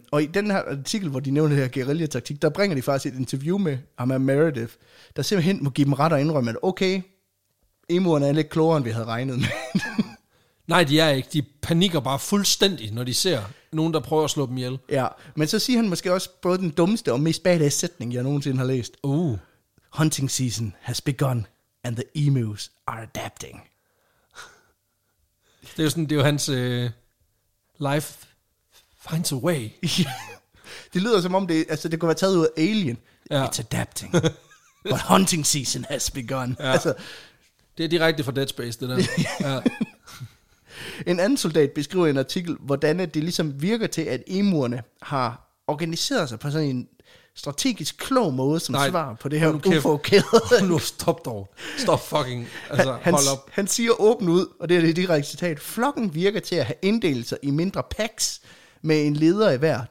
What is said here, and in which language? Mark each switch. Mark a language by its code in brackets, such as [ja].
[da] Og i den her artikel, hvor de nævner her guerillataktik, der bringer de faktisk et interview med Amar Meredith, der simpelthen må give dem ret og indrømme, at okay, emuerne er lidt klogere, end vi havde regnet med. Nej, de er ikke. De panikker bare fuldstændig, når de ser nogen, der prøver at slå dem ihjel. Ja, men så siger han måske også både den dummeste og mest badass sætning, jeg nogensinde har læst. [en] Hunting season has begun, and the emus are adapting. [da] Det er jo sådan, det er jo hans life finds a way. Det lyder som om, det kunne være taget ud af Alien. Ja. [en] It's adapting, but hunting season has begun. [da] Ja. Altså, det er direkte fra Dead Space, det der. Ja. En anden soldat beskriver i en artikel, hvordan det ligesom virker til, at emuerne har organiseret sig på sådan en strategisk klog måde, som nej, svar på det her uforkærede. Nu stop dog. Stop fucking. Altså, hold op. Han siger åbent ud, og det er det direkte citat. Flokken virker til at have inddelt sig i mindre packs med en leder i hver.